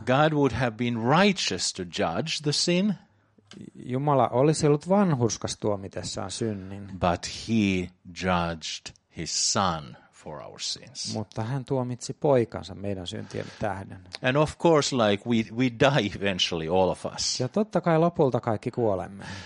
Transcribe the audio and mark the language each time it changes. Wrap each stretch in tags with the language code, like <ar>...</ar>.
<en>God would have been righteous to judge the sin.</en> <fi>Jumala olisi ollut vanhurskas tuomitessaan synnin.</fi> <en>But he judged his son for our sins.</en> <fi>Mutta hän tuomitsi poikansa meidän syntien tähden.</fi> <en>And of course like we die eventually all of us.</en> <fi>Ja totta kai lopulta kaikki kuolemme.</fi>